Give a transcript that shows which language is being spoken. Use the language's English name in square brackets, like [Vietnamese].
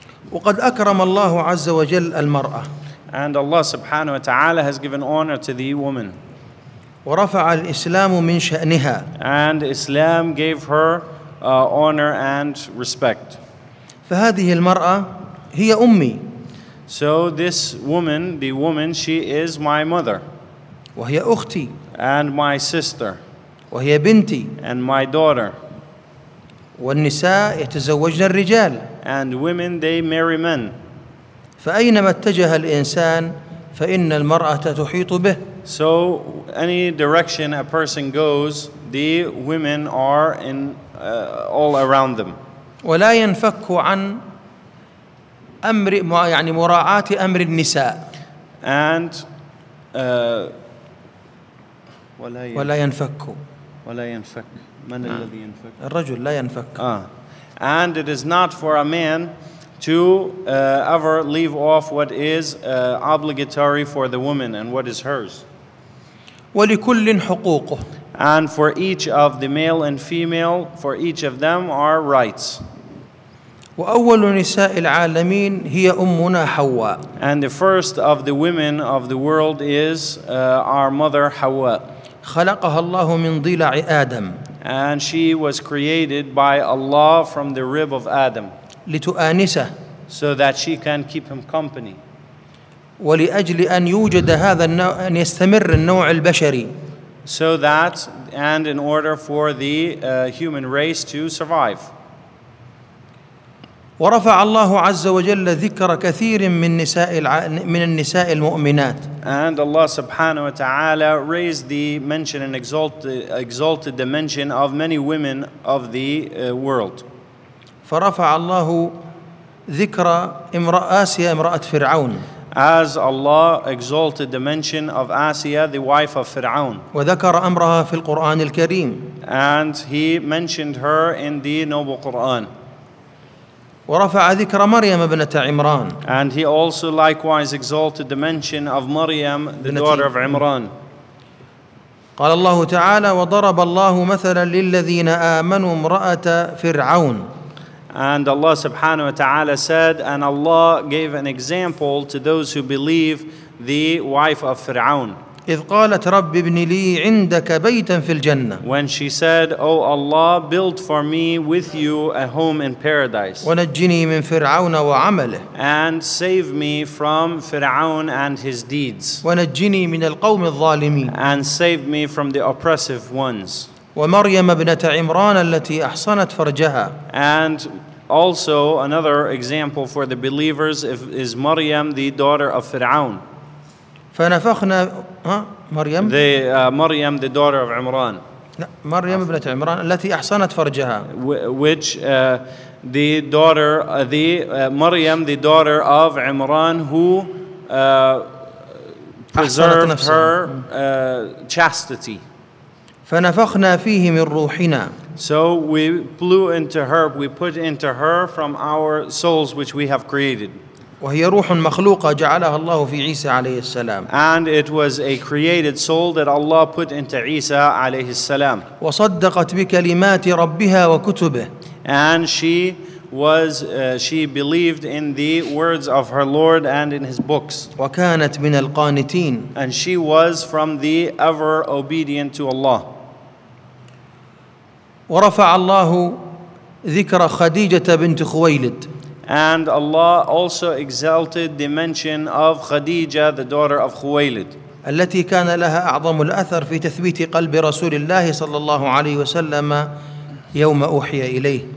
[Arabic] وقد أكرم الله عز وجل المرأة. [English] And Allah subhanahu wa ta'ala has given honor to the woman. [Arabic] ورفع الإسلام من شأنها. [English] And Islam gave her honor and respect. [Arabic] فهذه المرأة هي أمي. [English] So this woman, the woman, she is my mother. [Arabic] وهي أختي. [English] And my sister. [Arabic] وهي بنتي. [English] And my daughter. [Arabic] والنساء يتزوجن الرجال. [English] And women, they marry men. [Arabic] فأينما اتجه الإنسان فإن المرأة تحيط به. [English] So any direction a person goes, the women are in all around them. [Arabic] ولا ينفك عن أمر يعني مراعاة أمر النساء. [English] And [Arabic] ولا ينفك. ولا ينفك. من الذي ينفك؟ الرجل لا ينفك. [English] And it is not for a man to ever leave off what is obligatory for the woman and what is hers. [Arabic] ولكل حقوقه. [English] And for each of the male and female, for each of them are rights. [Arabic] وأول نساء العالمين هي أمنا حواء. [English] And the first of the women of the world is our mother حواء. [Arabic] خلقها الله من ضلع آدم. [English] And she was created by Allah from the rib of Adam. [Arabic] لتؤانسه. [English] So that she can keep him company. [Arabic] ولأجل أن يوجد هذا النوع أن يستمر النوع البشري. [English] So that and in order for the human race to survive. [Arabic] ورفع الله عز وجل ذكر كثير من نساء من النساء المؤمنات. [English] And Allah subhanahu wa ta'ala raised the mention and exalted the mention of many women of the world. [Arabic] فرفع الله ذكر امرأة آسيا امرأة فرعون. [English] As Allah exalted the mention of Asiya, the wife of Fir'aun. [Arabic] وذكر أمرها في القرآن الكريم. [English] And he mentioned her in the noble Quran. [Arabic] ورفع ذكر مريم ابنة عمران. [English] And he also likewise exalted the mention of Maryam, the daughter of Imran. [Arabic] قال الله تعالى وضرب الله مثلا للذين آمنوا امرأة فرعون. [English] And Allah subhanahu wa ta'ala said, and Allah gave an example to those who believe the wife of Fir'aun. [Arabic] إذ قالت رب ابن لي عندك بيتا في الجنة. [English] When she said, O Allah, build for me with you a home in paradise. [Arabic] ونجني من فرعون وعمله. [English] And save me from Fir'aun and his deeds. [Arabic] ونجني من القوم الظالمين. [English] And save me from the oppressive ones. [Arabic] ومريم ابنة عمران التي أحصنت فرجها. [English] And also another example for the believers is Maryam, the daughter of Fir'aun. [Arabic] فنفخنا مريم. [English] Maryam, the daughter of Imran. [Arabic] مريم ابنة عمران التي أحصنت فرجها. [English] Which the daughter, the Maryam, the daughter of Imran, who preserved her chastity. [Arabic] فنفخنا فيه من روحنا. [English] So we blew into her, we put into her from our souls which we have created. [Arabic] وهي روح مخلوقة جعلها الله في عيسى عليه السلام. [English] And it was a created soul that Allah put into Isa [Arabic] عليه السلام. وصدقت بكلمات ربها وكتبه. [English] And she was she believed in the words of her Lord and in his books. [Arabic] وكانت من القانتين. [English] And she was from the ever obedient to Allah. [Arabic] ورفع الله ذكر خديجة بنت خويلد. [English] And Allah also exalted the mention of Khadija, the daughter of Khuwaylid. [Arabic] التي كان لها أعظم الأثر في تثبيت قلب رسول الله صلى الله عليه وسلم يوم أوحي إليه.